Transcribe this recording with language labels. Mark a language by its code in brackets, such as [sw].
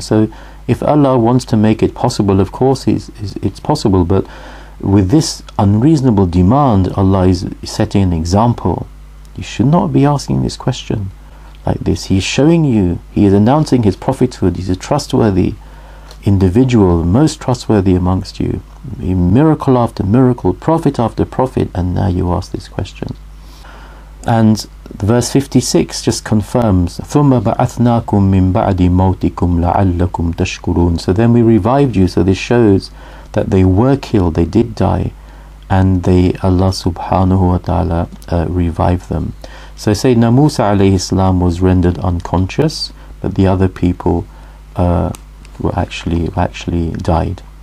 [en] So if Allah wants to make it possible, of course it's possible, but with this unreasonable demand, Allah is setting an example. You should not be asking this question like this. He's showing you, He is announcing His prophethood. He's a trustworthy individual, most trustworthy amongst you. Miracle after miracle, prophet after prophet, and now you ask this question. And verse 56 just confirms, [ar] ثُمَّ بَعَثْنَاكُمْ مِنْ بَعْدِ مَوْتِكُمْ لَعَلَّكُمْ تَشْكُرُونَ. [en] So then we revived you. So this shows that they were killed, they did die, and they, Allah subhanahu wa ta'ala, revived them. So Sayyidina Musa alayhi salam was rendered unconscious, but the other people were actually died.